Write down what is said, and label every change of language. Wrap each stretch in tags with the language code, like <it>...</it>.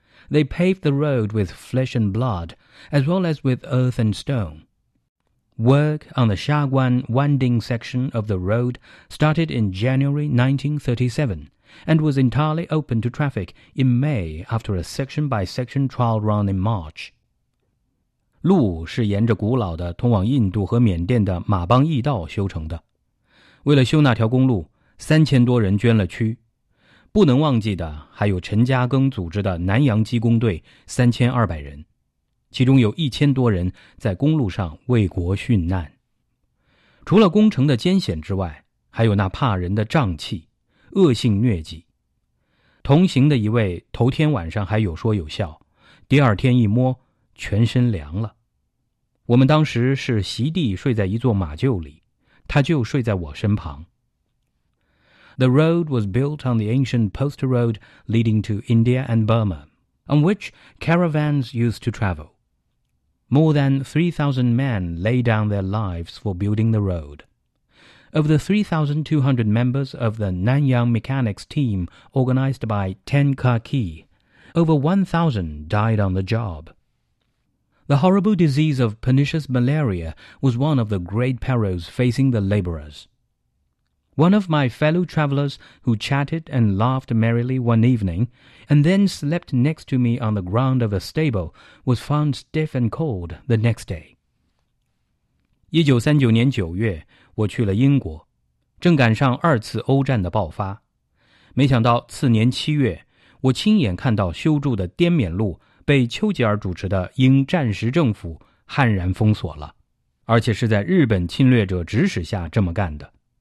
<en>They paved the road with flesh and blood, as well as with earth and stone. Work on the Shaguan-Wanding section of the road started in January 1937,and was entirely open to traffic in May after a section-by-section trial run in March.</en> <zh>路是沿着古老的通往印度和缅甸的马帮驿道修成的。为了修那条公路，3000多人捐了躯。不能忘记的还有陈嘉庚组织的南洋机工队3200人，其中有1000多人在公路上为国殉难。除了工程的艰险之外，还有那怕人的瘴气。恶性疟疾，同行的一位头天晚上还有说有笑，第二天一摸全身凉了。我们当时是席地睡在一座马厩里，他就睡在我身旁。</zh> <en>The road was built on the ancient post road leading to India and Burma, on which caravans used to travel. More than 3,000 men lay down their lives for building the road. Of the 3,200 members of the Nanyang Mechanics Team organized by Ten Kaki, over 1,000 died on the job. The horrible disease of pernicious malaria was one of the great perils facing the laborers. One of my fellow travelers who chatted and laughed merrily one evening and then slept next to me on the ground of a stable was found stiff and cold the next day.</en> <zh>1939年9月我去了英国，正赶上二次欧战的爆发。没想到次年七月，我亲眼看到修筑的滇缅路被丘吉尔主持的英战时政府悍然封锁了，而且是在日本侵略者指使下这么干的。</zh>